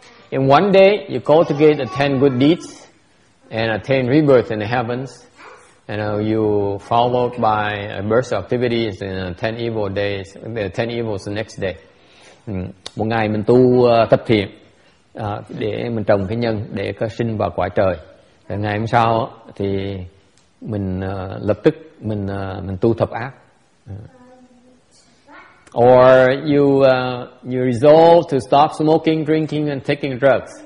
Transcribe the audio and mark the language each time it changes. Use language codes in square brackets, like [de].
[en] In one day you cultivate 10 good deeds and attain rebirth in the heavens, and you followed by a burst of activities in 10 evil days, 10 evils the next day. [vi] Một ngày mình tu tập thiện để mình trồng cái nhân để có sinh vào quả trời. Rồi ngày hôm sau thì mình lập tức mình tu thập ác. [en] Or you resolve to stop smoking, drinking and taking drugs.